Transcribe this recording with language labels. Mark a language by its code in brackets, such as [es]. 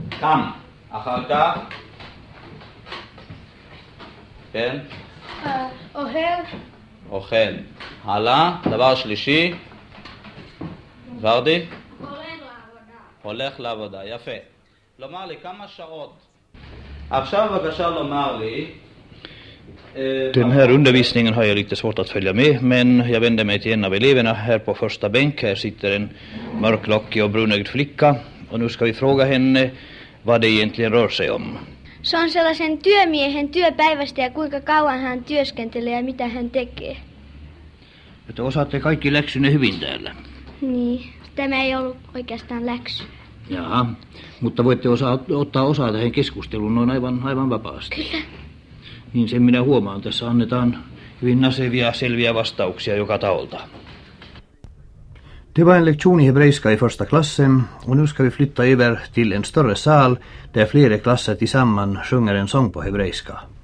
[he] קם. אחר כך? כן? אוכל. אוכל. הלאה, דבר שלישי. ורדי? הולך לעבודה. הולך לעבודה, יפה. לומר לי, כמה שעות Akshav Agashal och Marley. [sv] Den här undervisningen har jag lite svårt att följa med, men jag vänder mig till en av eleverna här på första bänk. Här sitter en mörklockig och brunögd flicka, och nu ska vi fråga henne vad det egentligen rör sig om. [fi] Se on sellaisen työmiehen työpäivästä ja kuinka kauan hän työskentelee ja mitä hän tekee. Että osaatte kaikki läksyne hyvin täällä. Niin, tämä ei ollut oikeastaan läksy. Jaha, mutta voitte ottaa osaa tähän keskusteluun noin aivan vapaasti. Kyllä. Niin sen minä huomaan, tässä annetaan hyvin nasevia selviä vastauksia joka taholta. [sv] Det var en lektion i hebreiska i första klassen, och nu ska vi flytta över till en större sal där flera klasser tillsammans sjunger en sång på hebreiska.